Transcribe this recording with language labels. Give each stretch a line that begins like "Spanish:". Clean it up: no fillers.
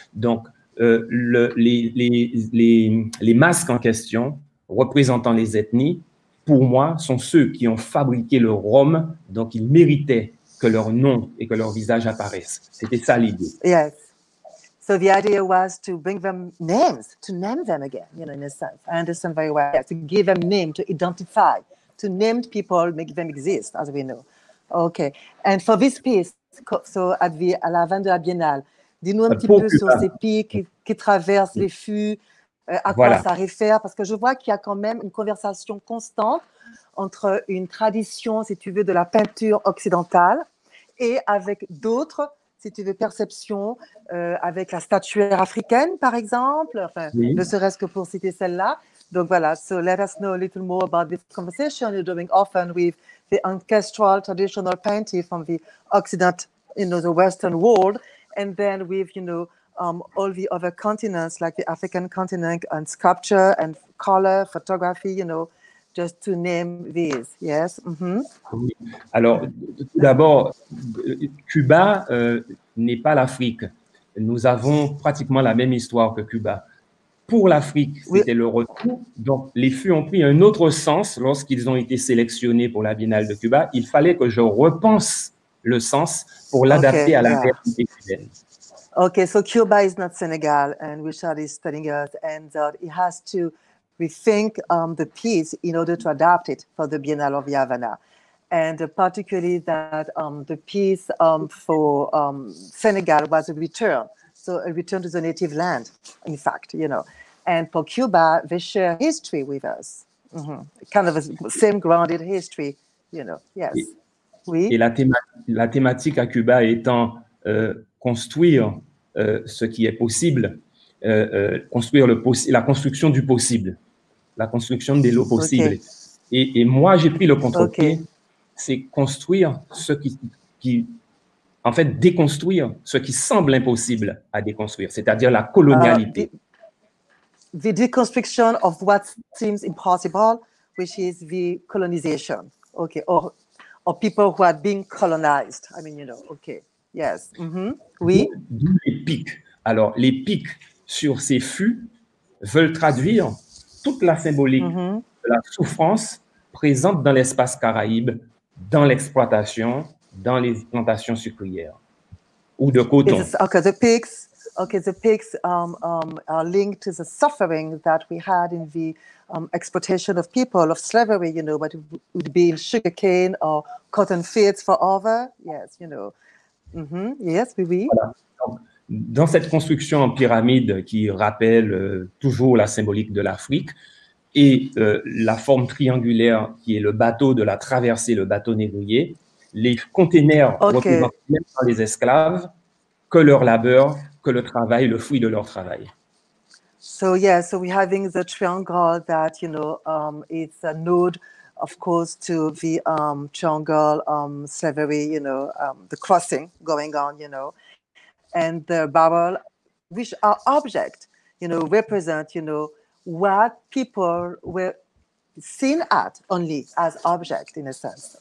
French: Donc, les masques en question, représentant les ethnies, pour moi, sont ceux qui ont fabriqué le rhum, donc ils méritaient que leur nom et que leur visage apparaissent. C'était ça l'idée.
English: Yes. So the idea was to bring them names, to name them again, you know, in a sense. I understand very well. Yeah, to give them name, to identify, to name people, make them exist, as we know. Okay. And for this piece, so at the
French: à la Havane de la Biennale, dis-nous un petit peu sur ces pics qui traversent les fûts, à quoi voilà. Ça réfère, parce que je vois qu'il y a quand même une conversation constante entre une tradition, si tu veux, de la peinture occidentale et avec d'autres, si tu veux, perceptions, avec la statuaire africaine, par exemple, enfin, oui. Ne serait-ce que pour citer celle-là. Donc voilà,
English: so let us know a little more about this conversation you're doing often with the ancestral traditional painting from the Occident, you know, the Western world, and then with, you know, all the other continents, like the African continent, and sculpture and color, photography, you know, just to name these, yes? Mm-hmm.
French: Oui. Alors, tout d'abord, Cuba n'est pas l'Afrique. Nous avons pratiquement la même histoire que Cuba. Pour l'Afrique, c'était le retour. Donc, les fûts ont pris un autre sens lorsqu'ils ont été sélectionnés pour la Biennale de Cuba. Il fallait que je repense le sens pour l'adapter à la réalité cubaine.
English: Okay, so Cuba is not Senegal, and Richard is studying it, and he has to rethink the piece in order to adapt it for the Biennale of Havana. And particularly that the piece for Senegal was a return, so a return to the native land, in fact, you know. And for Cuba, they share history with us, mm-hmm. Kind of a same grounded history, you know, yes.
French: Oui? Et la thématique à Cuba étant... construire ce qui est possible, construire la construction du possible, la construction des lots possibles. Okay. Et moi, j'ai pris le contre-pied, c'est construire ce qui, en fait, déconstruire ce qui semble impossible à déconstruire, c'est-à-dire la colonialité.
English: The deconstruction of what seems impossible, which is the colonization, okay, or people who are being colonized, I mean, you know, okay. Yes. Mm-hmm. Oui.
French: D'où les pics. Alors, les pics sur ces fûts veulent traduire toute la symbolique mm-hmm. de la souffrance présente dans l'espace caraïbe, dans l'exploitation, dans les plantations sucrières ou de coton.
English: The pics are linked to the suffering that we had in the exploitation of people, of slavery, you know, but it would be sugar cane or cotton fields forever. Yes, you know. Mm-hmm. Yes,
French: oui, oui. Voilà. Dans cette construction en pyramide qui rappelle toujours la symbolique de l'Afrique et la forme triangulaire qui est le bateau de la traversée, le bateau négrier, les containers représentent même par les esclaves que leur labeur, que le travail, le fruit de leur travail.
English: So yes, yeah, so we're having the triangle that, you know, it's a node. Of course, to the triangle slavery, you know, the crossing going on, you know, and the barrel, which are objects, you know, represent, you know, what people were seen at only as object in a sense.